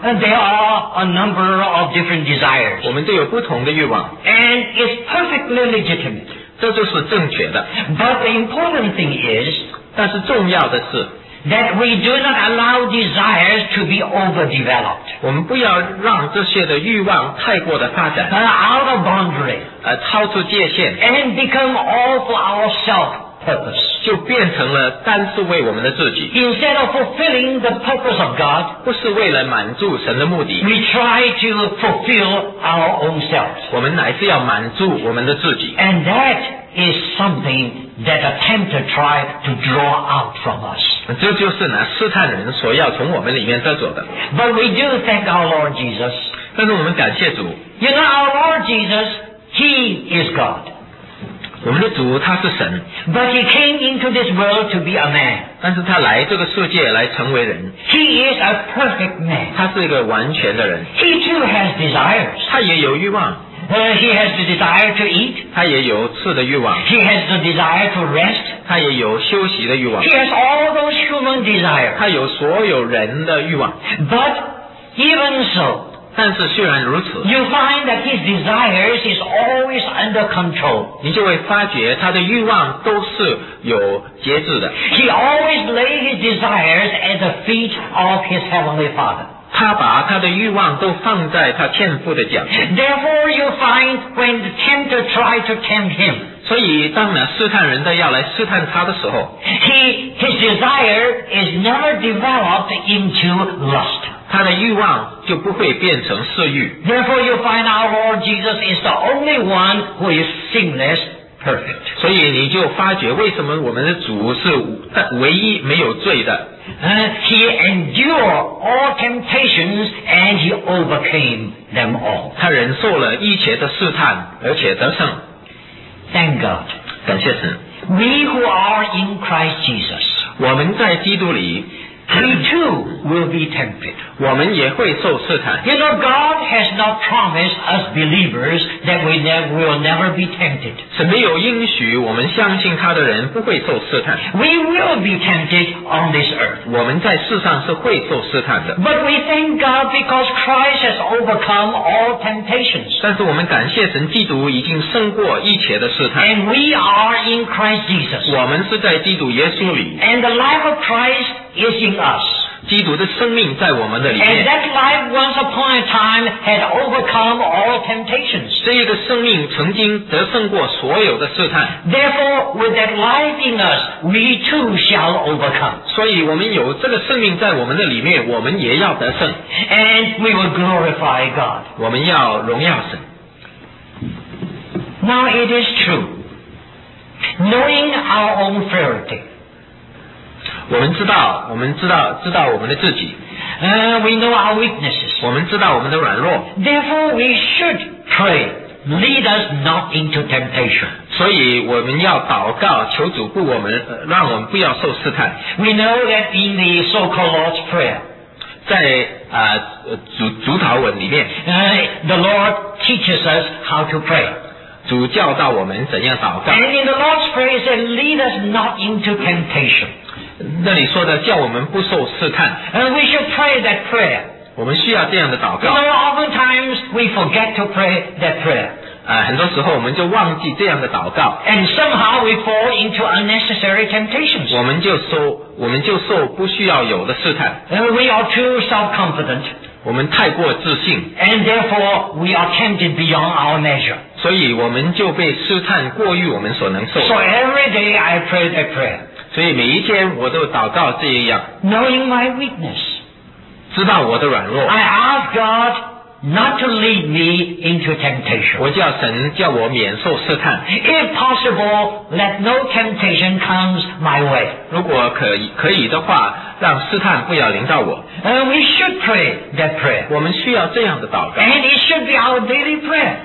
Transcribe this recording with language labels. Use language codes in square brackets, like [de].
[en] and there are a number of different desires. [zh] 我们都有不同的欲望 [en] and it's perfectly legitimate. [zh] 这就是正确的 [en] but the important thing is, [zh] 但是重要的是 [en] that we do not allow desires to be overdeveloped. [zh] 我们不要让这些的欲望太过的发展 [en] but out of boundary. [zh] 超出界限 [en] and become all for ourselves. Purpose. [zh] 就变成了单是为我们的自己 [en] Instead of fulfilling the purpose of God [zh] 不是为了满足神的目的 [en] We try to fulfill our own selves [zh] 我们乃是要满足我们的自己 [en] And that is something that a tempter tried to draw out from us [zh] 这就是呢试探人所要从我们里面得走的 [en] But we do thank our Lord Jesus [zh] 但是我们感谢主 [en] You know our Lord Jesus He is God [zh] 我们的主他是神 [en] But he came into this world to be a man [zh] 但是他来这个世界来成为人 [en] He is a perfect man [zh] 他是一个完全的人 [en] He too has desires [zh] 他也有欲望 [en] He has the desire to eat [zh] 他也有吃的欲望 [en] He has the desire to rest [zh] 他也有休息的欲望 [en] He has all those human desires [zh] 他有所有人的欲望 [en] But even so [zh] 但是虽然如此 [en] You find that his desires is always under control [zh] 你就会发觉他的欲望都是有节制的 [en] He always lays his desires at the feet of his heavenly father [zh] 他把他的欲望都放在他天父的脚前 [en] Therefore you find when the tempter tried to tempt him [zh] 所以当呢试探人的要来试探他的时候 [en] His desire is never developed into lust [zh] 他的欲望就不会变成私欲。 [en] Therefore, you find our Lord Jesus is the only one who is sinless, perfect. [zh] 所以你就发觉为什么我们的主是唯一没有罪的。 [en] He endured all temptations and he overcame them all. [zh] 他忍受了一切的试探，而且得胜。 [en] Thank God. [zh] 感谢神。 [en] We who are in Christ Jesus. [zh] 我们在基督里。 [en] We too will be tempted. [zh] 我们也会受试探。 [en] You know, God has not promised us believers that we will never be tempted. [zh] 神没有应许我们相信他的人不会受试探。 [en] We will be tempted on this earth. [zh] 我们在世上是会受试探的。 [en] But we thank God because Christ has overcome all temptations. [zh] 但是我们感谢神基督已经胜过一切的试探。 [en] And we are in Christ Jesus. [zh] 我们是在基督耶稣里。 [en] And the life of Christ is in us. [zh] 基督的生命在我们的里面。 [en] And that life once upon a time had overcome all temptations. [zh] 这一个生命曾经得胜过所有的试探。 [en] Therefore, with that life in us, we too shall overcome. [zh] 所以我们有这个生命在我们的里面，我们也要得胜。 [en] And we will glorify God. [zh] 我们要荣耀神。 [en] Now it is true. Knowing our own frailty. [zh] 我们知道，我们知道，知道我们的自己。 [en] We know our weaknesses. [zh] 我们知道我们的软弱。 [en] Therefore, we should pray. Lead us not into temptation. [zh] 所以我们要祷告，求主不我们，让我们不要受试探。 [en] We know that in the so-called Lord's Prayer. [zh] 在主祷文里面。 [en] The Lord teaches us how to pray. [zh] 主教导我们怎样祷告。 [en] And in the Lord's Prayer, it says, "Lead us not into temptation." [zh] 那里说的叫我们不受试探。 [en] And we should pray that prayer. [zh] 我们需要这样的祷告。 [en] You know, oftentimes we forget to pray that prayer. [zh] 很多时候我们就忘记这样的祷告。 [en] And somehow we fall into unnecessary temptations. [zh] 我们就受不需要有的试探。 [en] And we are too self-confident. [zh] 我们太过自信。 [en] And therefore we are tempted beyond our measure. [zh] 所以我们就被试探过于我们所能受的。 [en] So every day I pray that prayer. [zh] 所以每一天我都祷告这样。 [en] Knowing my weakness. [zh] 知道我的软弱。 [en] I ask God not to lead me into temptation. [zh] 我叫神叫我免受试探。 [en] If possible, let no temptation comes my way. [zh] 如果可以的话，让试探不要临到我。 [en] We should pray that prayer. [zh] 我们需要这样的祷告。 [en] And it should be our daily prayer.